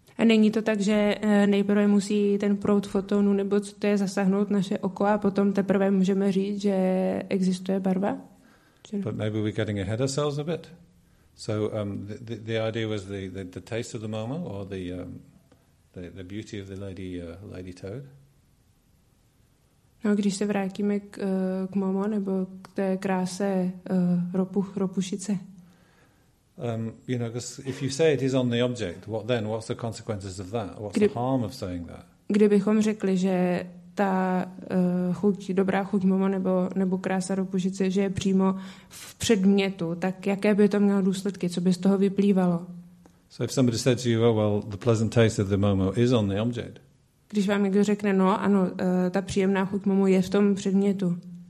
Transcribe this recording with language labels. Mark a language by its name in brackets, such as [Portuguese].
[Czech] A není to tak, že nejprve musí ten proud fotonu nebo co to je zasáhnout naše oko a potom teprve můžeme říct, že existuje barva? [English] But maybe we're getting ahead of ourselves a bit. So the idea was the taste of the mama or the beauty of the lady toad. [Czech] No, když se vrátíme k momo nebo k té kráse ropušice. [English] You know, because if you say it is on the object, what then? What's the consequences of that? What's the harm of saying that? [Czech] Kdybychom řekli, že ta chuť, dobrá chuť momo nebo krása ropušice, že je přímo v předmětu, tak jaké by to mělo důsledky? Co by z toho vyplývalo? [English] So if somebody said to you, oh well, the pleasant taste of the momo is on the object. [Czech] Když vám někdo řekne, no, ano, ta příjemná chuť momo je v tom předmětu.